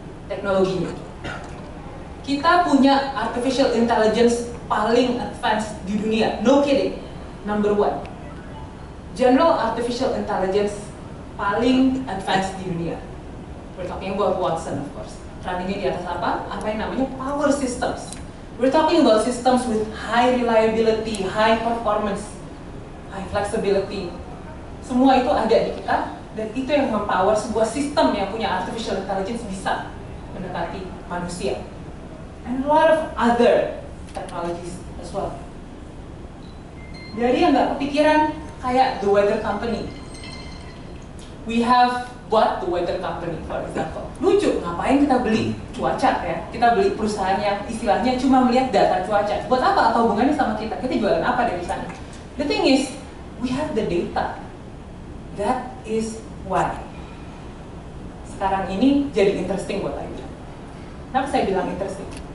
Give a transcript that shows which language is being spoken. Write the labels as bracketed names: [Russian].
[Indonesian] Teknologinya. Kita punya artificial intelligence paling advanced di dunia. [English] No kidding. Number one. [Indonesian] General artificial intelligence paling advanced di dunia. [English] We're talking about Watson, of course. [Indonesian] Running-nya di atas apa? Apa yang namanya power systems. [English] We're talking about systems with high reliability, high performance, high flexibility. [Indonesian] Semua itu ada di kita, dan itu yang mempower sebuah sistem yang punya artificial intelligence bisa mendekati manusia. [English] And a lot of other technologies as well. [Indonesian] Dari yang gak kepikiran, kayak [English] the weather company. We have bought the weather company, for example. [Indonesian] Lucu, ngapain kita beli cuaca ya? Kita beli perusahaan yang istilahnya cuma melihat data cuaca. Buat apa? Atau hubungannya sama kita? Kita jualan apa dari sana? [English] The thing is, we have the data. That is why. [Indonesian] Sekarang ini jadi interesting buat lainnya. Kenapa saya bilang interesting?